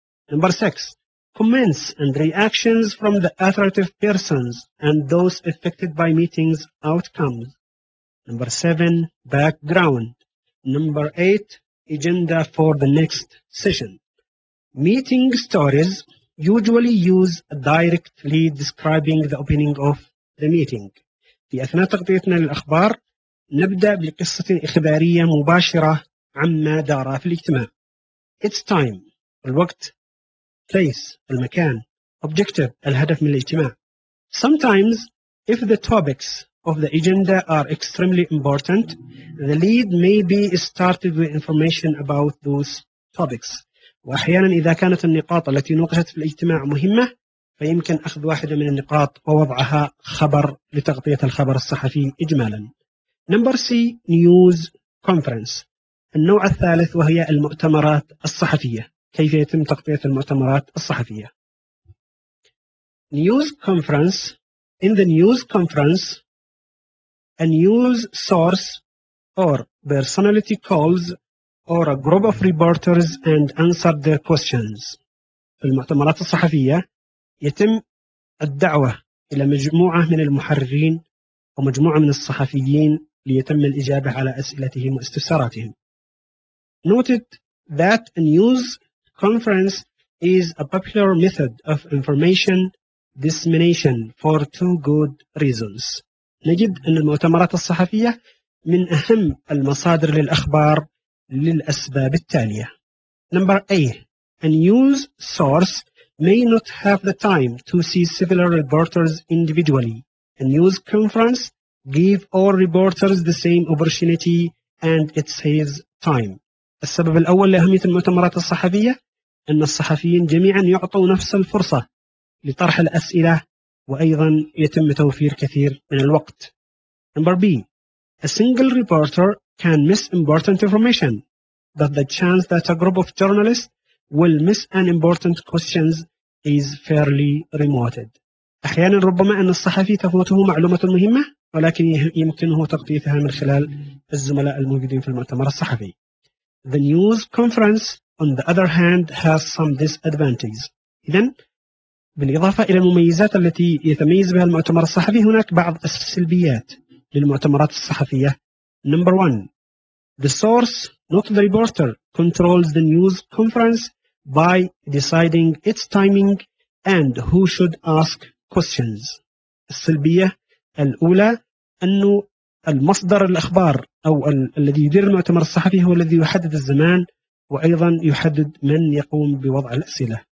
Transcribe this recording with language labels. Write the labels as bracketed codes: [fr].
[en] Number six, comments and reactions from the authoritative persons and those affected by meetings outcomes. Number seven, background. Number eight, agenda for the next session. Meeting stories usually use a direct lead describing the opening of the meeting. [ar] في أثناء تغطيتنا للأخبار نبدأ بقصة إخبارية مباشرة عما دار في الاجتماع. It's time. الوقت. Place. المكان. Objective. الهدف من الاجتماع. [en] Sometimes, if the topics of the agenda are extremely important, the lead may be started with information about those topics. [ar] وأحيانا إذا كانت النقاط التي نوقشت في الاجتماع مهمة فيمكن أخذ واحدة من النقاط ووضعها خبر لتغطية الخبر الصحفي إجمالا. [en] Number C, news conference. [ar] النوع الثالث وهي المؤتمرات الصحفية. كيف يتم تغطية المؤتمرات الصحفية. [en] News conference. In the news conference, a news source or personality calls or a group of reporters and answer their questions. [ar] في المؤتمرات الصحفية يتم الدعوة إلى مجموعة من المحررين ومجموعة من الصحفيين ليتم الإجابة على أسئلتهم واستفساراتهم. [en] Noted that a news conference is a popular method of information dissemination for two good reasons. [ar] نجد أن المؤتمرات الصحفية من أهم المصادر للأخبار للأسباب التالية. [en] Number A, a news source may not have the time to see several reporters individually. A news conference gives all reporters the same opportunity and it saves time. [ar] السبب الأول لأهمية المؤتمرات الصحفية أن الصحفيين جميعا يعطوا نفس الفرصة لطرح الأسئلة وأيضا يتم توفير كثير من الوقت. [en] Number B, a single reporter can miss important information, but the chance that a group of journalists will miss an important question is fairly remote. [ar] أحيانا ربما أن الصحفي تفوته معلومة مهمة ولكن يمكنه تغطيتها من خلال الزملاء الموجودين في المؤتمر الصحفي. [en] The news conference, on the other hand, has some disadvantages. إذن [ar] بالإضافة إلى المميزات التي يتميز بها المؤتمر الصحفي، هناك بعض السلبيات للمؤتمرات الصحفية. [en] Number one, the source, not the reporter, controls the news conference by deciding its timing and who should ask questions. [ar] السلبية الأولى أنه المصدر الأخبار أو الذي يدير المؤتمر الصحفي هو الذي يحدد الزمان وأيضا يحدد من يقوم بوضع الأسئلة.